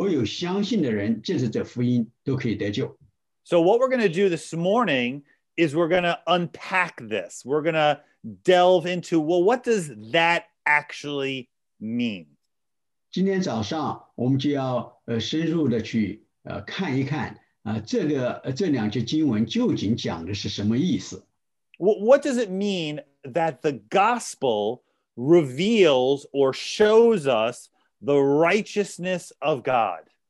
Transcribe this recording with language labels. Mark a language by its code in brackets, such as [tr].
[zh] 所以我们把两节放起来，就知道说这福音是神的大能，因为他把神的公义体现出来，以至于所有相信的人，借着这福音都可以得救。 [en] So what we're going to do this morning is we're going to unpack this. We're going to delve into, well, what does that actually mean? [zh] 今天早上我们就要深入的去看一看这两节经文究竟讲的是什么意思。 [en] What does it mean that the gospel reveals or shows us the righteousness of God?